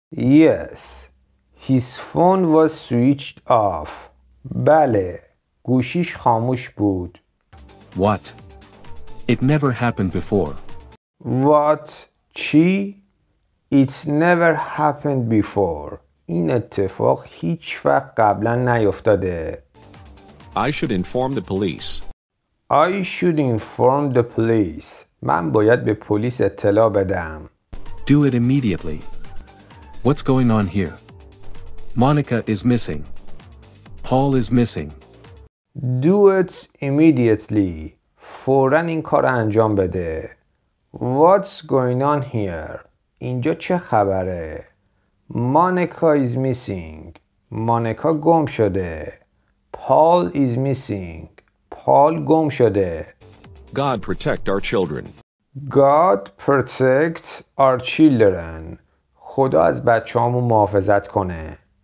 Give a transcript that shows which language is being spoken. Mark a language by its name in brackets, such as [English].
[English] Yes, his phone was switched off. [Persian] بله. گوشیش خاموش بود. [English] What? It never happened before. What? [Persian] چی؟ [English] It never happened before. [Persian] این اتفاق هیچ وقت قبلا نیفتاده. [English] I should inform the police. I should inform the police. [Persian] من باید به پلیس اطلاع بدم. [English] Do it immediately. What's going on here? Monica is missing. Paul is missing. Do it immediately. [Persian] فوراً این کار انجام بده. [English] What's going on here? [Persian] اینجا چه خبره؟ [English] Monica is missing. [Persian] Monica گم شده. [English] Paul is missing. Paul [Persian] گم شده. [English] God protect our children. God protect our children. [Persian] خدا از بچه‌هامون محافظت کنه.